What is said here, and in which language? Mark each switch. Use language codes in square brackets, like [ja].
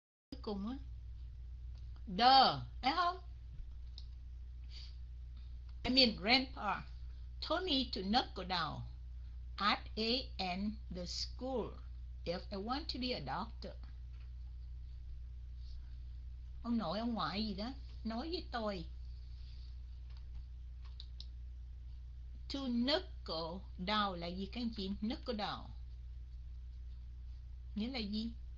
[vi] Cuối cùng á, the, thấy không? [en] I mean grandpa told me to knuckle down at A and the school if I want to be a doctor. [vi] Ông nội ông ngoại gì đó nói với tôi [en] to knuckle down [vi] là gì các anh chị? [en] Knuckle down [vi] nghĩa là gì?